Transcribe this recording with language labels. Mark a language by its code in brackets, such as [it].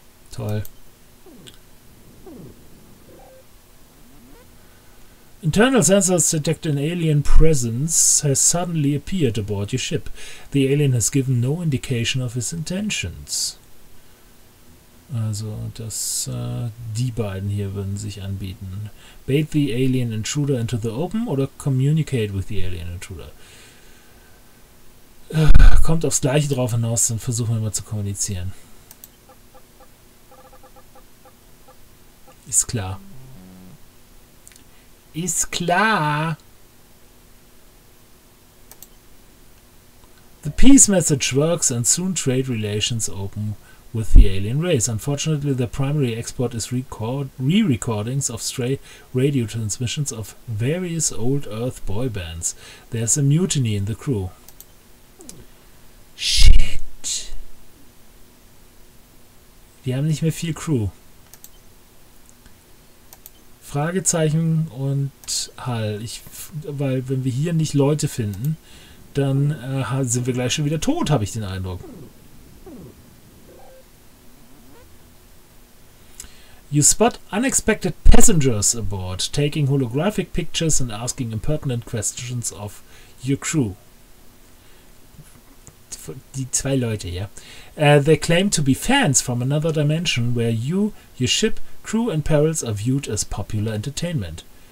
[de] Toll. [en] Internal sensors detect an alien presence has suddenly appeared aboard your ship. The alien has given no indication of his intentions. [de] Also, dass die beiden hier würden sich anbieten. [en] Bait the alien intruder into the open [de] oder [en] communicate with the alien intruder. [de] Kommt aufs Gleiche drauf hinaus, dann versuchen wir mal zu kommunizieren. Ist klar. Ist klar. [en] The peace message works and soon trade relations open with the alien race. Unfortunately, the primary export is re-recordings of stray radio transmissions of various old Earth boy bands. There's a mutiny in the crew. Shit. [de] Wir haben nicht mehr viel Crew. Fragezeichen und Hall. Weil wenn wir hier nicht Leute finden, dann sind wir gleich schon wieder tot, habe ich den Eindruck. [en] You spot unexpected passengers aboard, taking holographic pictures and asking impertinent questions of your crew. [de] Die zwei Leute, ja. [en] They claim to be fans from another dimension where you, your ship, crew and perils are viewed as popular entertainment.